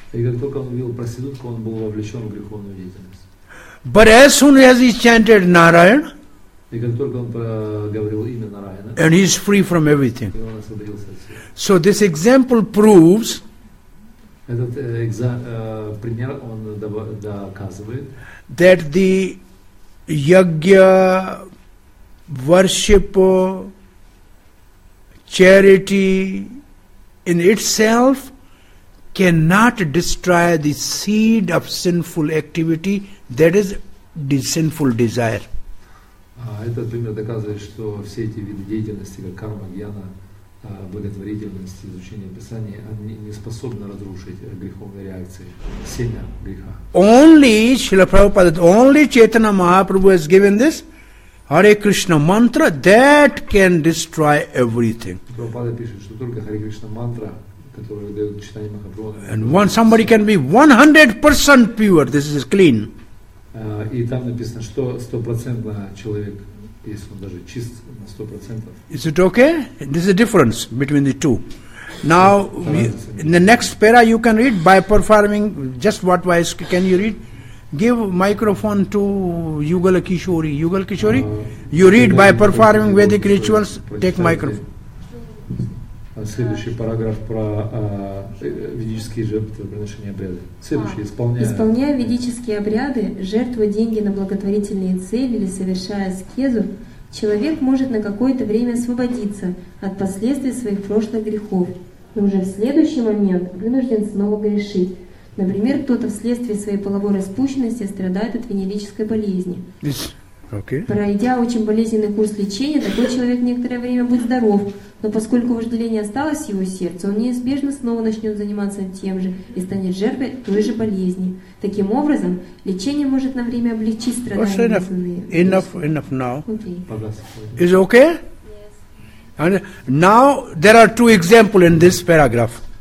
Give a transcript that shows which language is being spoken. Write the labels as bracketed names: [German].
[Russian] И как только он увидел проститутку, он был вовлечен в греховную деятельность. [English] But as soon as he chanted Narayan, [Russian] и как только он говорил имя Нараяна, [English] and he is free from everything. [Russian] И он освободился от всего. [English] So this example proves. [Russian] Этот пример он доказывает. [English] That the yagya, worship, charity in itself cannot destroy the seed of sinful activity, that is the sinful desire. [Russian] Этот пример доказывает, что все эти виды деятельности, как карма, гьяна, благотворительность, изучение Писания, они не способны разрушить греховные реакции, семя греха. [English] Only Śrīla Prabhupāda, only Chaitanya Mahāprabhu has given this Hare Krishna mantra, that can destroy everything. [Russian] Prabhupada пишет, что только Hare Krishna mantra, которую дает читание Махапрабху. [English] And one, somebody can be 100% pure, this is clean. [Russian] И там написано, что 100% человек, если он даже чист на 100%. [English] Is it okay? This is the difference between the two. Now, in the next para you can read by performing just what wise can you read? Give microphone to Yugal Kishori. Yugal Kishori, you read by performing Vedic rituals. Take microphone. [Russian] Следующий параграф про ведические жертвоприношения обряды. Следующий исполняя. Исполняя ведические обряды, жертвуя деньги на благотворительные цели или совершая аскезу, человек может на какое-то время освободиться от последствий своих прошлых грехов, но уже в следующий момент вынужден снова грешить. Например, кто-то вследствие своей половой распущенности страдает от венерической болезни. [English] Okay. [Russian] Пройдя очень болезненный курс лечения, такой человек некоторое время будет здоров, но поскольку вожделение осталось в его сердце, он неизбежно снова начнет заниматься тем же и станет жертвой той же болезни. Таким образом, лечение может на время облегчить страдания. [English] Enough now. Okay. Is it okay? Yes. And now there are two examples in this paragraph.